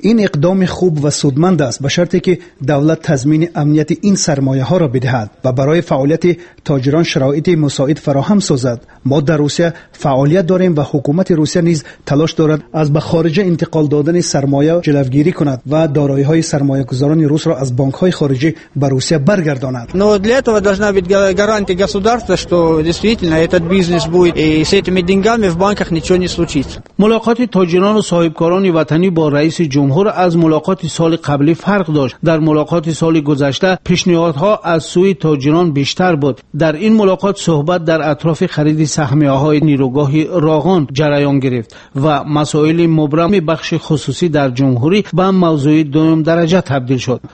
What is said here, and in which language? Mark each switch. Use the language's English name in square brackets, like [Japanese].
[Persian] این اقدام خوب و سودمند است به شرطی که دولت تضمین امنیت این سرمایه ها را بدهد و برای فعالیت تاجران شرایط مساعد فراهم سازد. ما در روسیه فعالیت داریم و حکومت روسیه نیز تلاش دارد از به خارج انتقال دادن سرمایه جلوگیری کند و دارایی های سرمایه گذاران روس را از بانک های خارجی به روسیه برگرداند. [Russian] Но для этого должна быть гарантия государства, что действительно этот бизнес будет и с этими деньгами в банках ничего не случится. [Persian] ملاقات تاجران و صاحبکاران وطنی با رئیس جمهور از ملاقات سال قبلی فرق داشت. در ملاقات سال گذشته پیشنهادها از سوی تاجران بیشتر بود. در این ملاقات صحبت در اطراف خرید سهمیه‌های نیروگاه راغان جریان گرفت و مسائل مبرم بخش خصوصی در جمهوری به موضوع دوم درجه تبدیل شد.